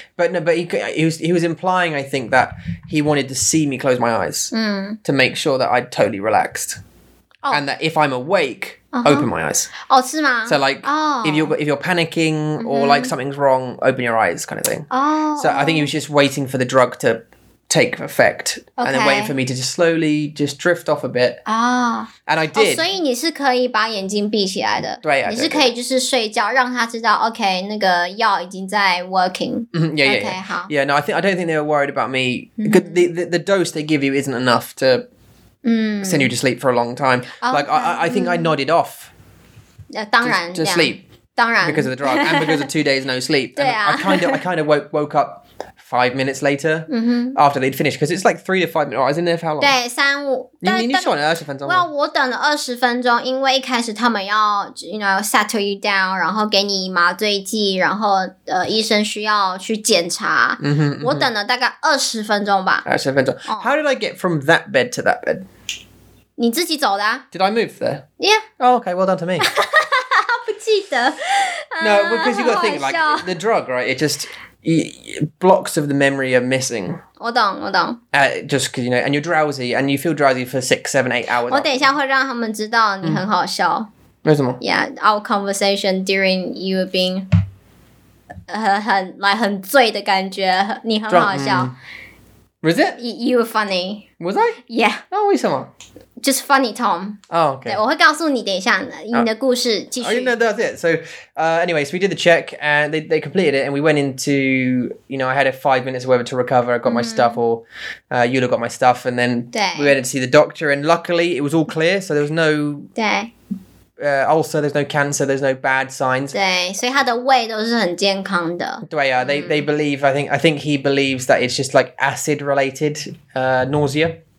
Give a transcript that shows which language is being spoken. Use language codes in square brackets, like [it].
[en] But he was implying, I think, that he wanted to see me close my eyes to make sure that I'd totally relaxed. Oh. And that if I'm awake, open my eyes. [zh] Oh, 是吗? [en] So like, if you're panicking or like something's wrong, open your eyes kind of thing. Oh. So I think he was just waiting for the drug to take effect. Okay. And then waiting for me to just slowly just drift off a bit. And I did. [zh] Oh, 所以你是可以把眼睛闭起来的。对啊。你是可以就是睡觉,让他知道, okay,那个药已经在working. [en] Yeah. Yeah, no, I don't think they were worried about me. The dose they give you isn't enough to... send you to sleep for a long time. I think I nodded off to sleep because of the drug and because of 2 days no sleep. I kind of woke up 5 minutes later after they'd finished because it's like 3 to 5 minutes. I was in there for how long? [zh] 对，三五。你说你二十分钟吗? [en] Well, [zh] 我等了20分钟，因为一开始他们要 [en] you know settle you down, [zh] 然后给你麻醉剂，然后医生需要去检查。我等了大概二十分钟吧。20分钟. [en] How did I get from that bed to that bed? [zh] 你自己走的啊? [en] Did I move there? Yeah. Oh, okay. Well done to me. [zh] 不记得。 [en] No, because you got to think, like, the drug, right? It just... blocks of the memory are missing. [zh] 我懂。 [en] Just because, you know, and you're drowsy, and you feel drowsy for 6, 7, 8 hours. [zh] 我等一下会让他们知道你很好笑。为什么? [en] Yeah, our conversation during you being... [zh] 很醉的感觉,你很好笑。 [en] Was it? You were funny. Was I? Yeah. [zh] Oh, 为什么? [en] Just funny, Tom. Oh, okay. [zh] 对，我会告诉你等一下你的故事继续。 [en] Oh, you know, that's it. So, anyways, we did the check and they completed it and we went into, you know, I had 5 minutes or whatever to recover. I got my stuff or Yula got my stuff and then we went to see the doctor and luckily it was all clear. So there was no... ulcer, there's no cancer, there's no bad signs. [zh] 对，所以他的胃都是很健康的。对啊, [en] they believe, I think he believes that it's just like acid related nausea.